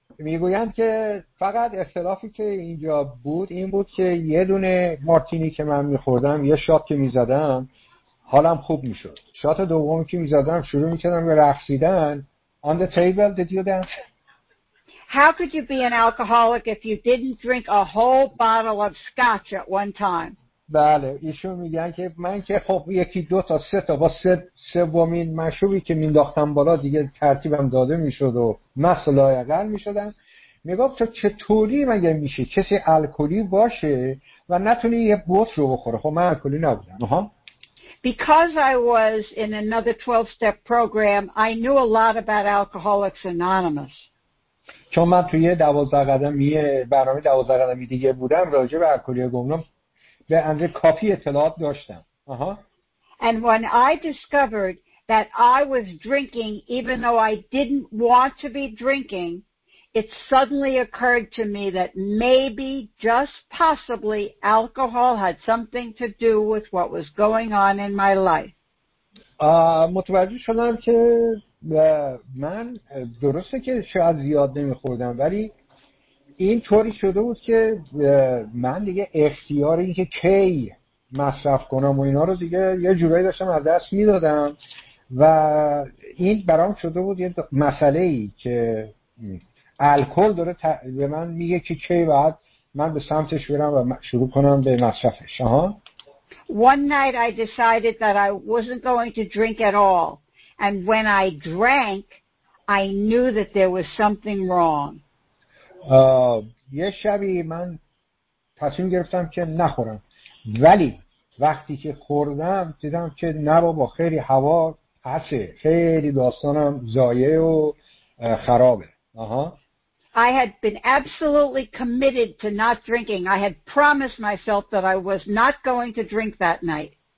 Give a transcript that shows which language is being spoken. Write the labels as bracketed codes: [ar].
[fa] میگویند که فقط اختلافی که اینجا بود این بود که یه دونه مارتینی که من میخوردم، یه شات که میزدم، حالم خوب میشد. شات دومی که میزدم شروع میکردم به رقصیدن. [en] On the table, did you dance? How could you be an alcoholic if you didn't drink a whole bottle of scotch at one time? [fa] بله، ایشون میگن که من که خب یکی دو تا سه تا با سومین مشروبی که مینداختم بالا دیگه ترتیبم داده میشد و مست و لایعقل میشدم. میگفت تو چطوری مگه میشه کسی الکلی باشه و نتونه یه بطل رو بخوره؟ خب من الکلی نبودم. [en] Because I was in another 12-step program, I knew a lot about Alcoholics Anonymous. [fa] چون من توی 12 قدمیه برنامه 12 قدمی دیگه بودم، راجع به الکلی گمنام به اندازه کافی اطلاعات داشتم. [en] And when I discovered that I was drinking even though I didn't want to be drinking, it suddenly occurred to me that maybe, just possibly, alcohol had something to do with what was going on in my life. [fa] متوجه شدم که من درسته که شاید زیاد نمیخوردم، ولی این طوری شده بود که من دیگه اختیار این که کی مصرف کنم و اینا رو دیگه یه جورایی داشتم از دست میدادم و این برام شده بود یه مسئله ای که الکل داره به من میگه که کی باید من به سمتش برم و شروع کنم به مصرفش. [en] One night I decided that I wasn't going to drink at all, and when I drank I knew that there was something wrong. [fa] یه شبی من تصمیم گرفتم که نخورم، ولی وقتی که خوردم دیدم که نه بابا، خیلی هوا هسته، خیلی داستانم زایه و خرابه. [en] I had been absolutely committed to not drinking. I had promised myself that I was not going to drink that night.